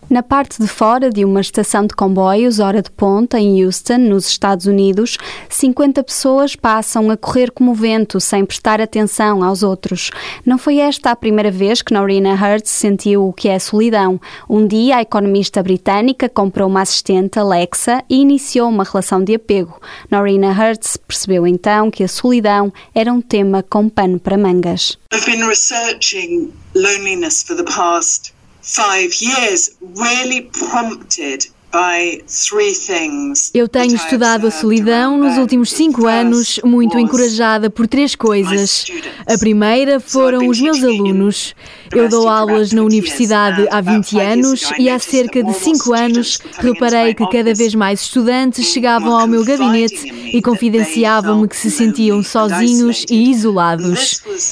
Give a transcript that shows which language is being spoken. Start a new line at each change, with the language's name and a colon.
Portuguese: Na parte de fora de uma estação de comboios, hora de ponta, em Houston, nos Estados Unidos, 50 pessoas passam a correr como o vento, sem prestar atenção aos outros. Não foi esta a primeira vez que Norina Hertz sentiu o que é solidão. Um dia, a economista britânica comprou uma assistente, Alexa, e iniciou uma relação de apego. Norina Hertz percebeu então que a solidão era um tema com pano para mangas.
English: I've been researching loneliness for the past 5 years, really prompted by three things.
Portuguese: Eu tenho estudado a solidão nos últimos 5 anos, muito encorajada por 3 coisas. A primeira foram os meus alunos. Eu dou aulas na universidade há 20 anos e há cerca de 5 anos reparei que cada vez mais estudantes chegavam ao meu gabinete e confidenciavam-me que se sentiam sozinhos e isolados.